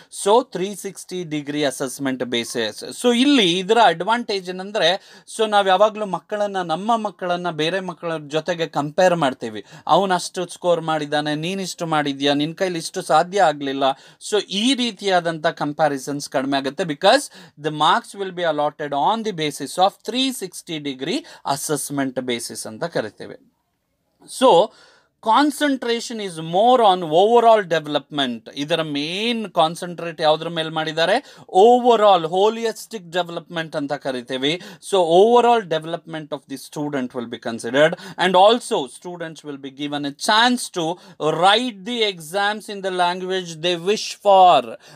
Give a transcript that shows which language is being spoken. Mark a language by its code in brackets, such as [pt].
[kn] So 360 degree assessment basis. So ಇಲ್ಲಿ ಇದರ advantage ಏನಂದರೆ, ಸೊ ನಾವು ಯಾವಾಗಲೂ ಮಕ್ಕಳನ್ನು, ನಮ್ಮ ಮಕ್ಕಳನ್ನು ಬೇರೆ ಮಕ್ಕಳ ಜೊತೆಗೆ ಕಂಪೇರ್ ಮಾಡ್ತೀವಿ, ಅವನಷ್ಟು ಸ್ಕೋರ್ ಮಾಡಿದ್ದಾನೆ, ನೀನಿಷ್ಟು ಮಾಡಿದ್ಯಾ, ನಿನ್ನ ಕೈಲಿ ಇಷ್ಟು ಸಾಧ್ಯ ಆಗಲಿಲ್ಲ. ಸೊ ಈ ರೀತಿಯಾದಂಥ ಕಂಪ್ಯಾರಿಸನ್ಸ್ ಕಡಿಮೆ ಆಗುತ್ತೆ, [en] because the marks will be allotted on the basis of 360 degree assessment basis [kn] ಅಂತ ಕರಿತೀವಿ. [en] So concentration is more on overall development. [kn] ಇದರ ಮೇನ್ ಕಾನ್ಸಂಟ್ರೇಟ್ ಯಾವುದ್ರ ಮೇಲೆ ಮಾಡಿದ್ದಾರೆ, ಓವರ್ಆಲ್ ಹೋಲಿಯಸ್ಟಿಕ್ ಡೆವಲಪ್ಮೆಂಟ್ ಅಂತ ಕರಿತೀವಿ. [en] So overall development of the student will be considered and also students will be given a chance to write the exams in the language they wish for.